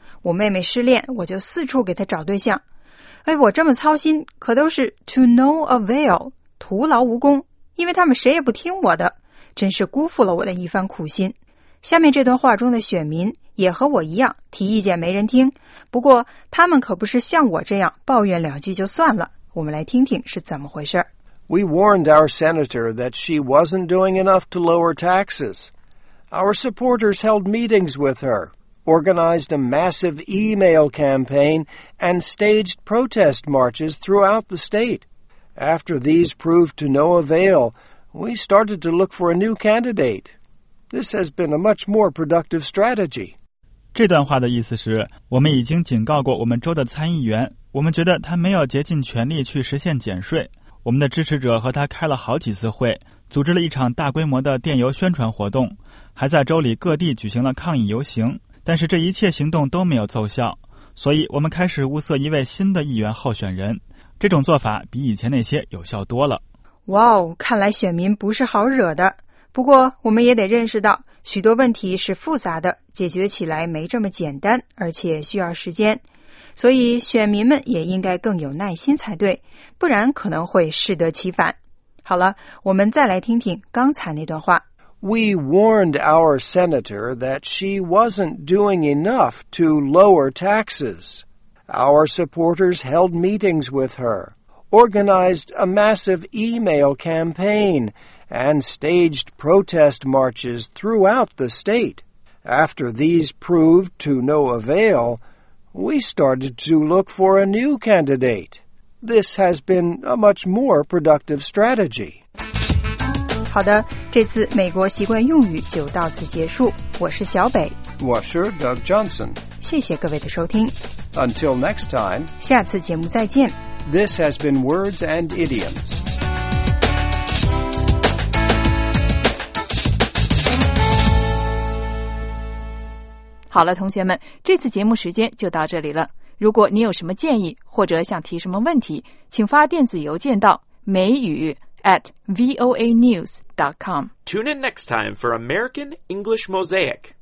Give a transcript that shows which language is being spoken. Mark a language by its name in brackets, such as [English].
[Chinese] 我妹妹失恋，我就四处给她找对象。哎，我这么操心，可都是 to no avail, 徒劳无功，因为他们谁也不听我的，真是辜负了我的一番苦心。下面这段话中的选民也和我一样，提意见没人听，不过他们可不是像我这样抱怨两句就算了，我们来听听是怎么回事。 [English] We warned our senator that she wasn't doing enough to lower taxes. Our supporters held meetings with her. Organized a massive email campaign and staged protest marches throughout the state. After these proved to no avail, we started to look for a new candidate. This has been a much more productive strategy. [Chinese] 这段话的意思是，我们已经警告过我们州的参议员，我们觉得他没有竭尽全力去实现减税。我们的支持者和他开了好几次会，组织了一场大规模的电邮宣传活动，还在州里各地举行了抗议游行。但是这一切行动都没有奏效，所以我们开始物色一位新的议员候选人。这种做法比以前那些有效多了。哇哦，看来选民不是好惹的。不过我们也得认识到，许多问题是复杂的，解决起来没这么简单，而且需要时间。所以选民们也应该更有耐心才对，不然可能会适得其反。好了，我们再来听听刚才那段话。 [English] We warned our senator that she wasn't doing enough to lower taxes. Our supporters held meetings with her, organized a massive email campaign, and staged protest marches throughout the state. After these proved to no avail, we started to look for a new candidate. This has been a much more productive strategy. [Chinese] 好的，这次美国习惯用语就到此结束。我是小北，我是 Doug Johnson。谢谢各位的收听。 [English] Until next time， [Chinese] 下次节目再见。 [English] This has been Words and Idioms。 [Chinese] 好了，同学们，这次节目时间就到这里了。如果你有什么建议或者想提什么问题，请发电子邮件到美语。 [English] at voanews.com. Tune in next time for American English Mosaic.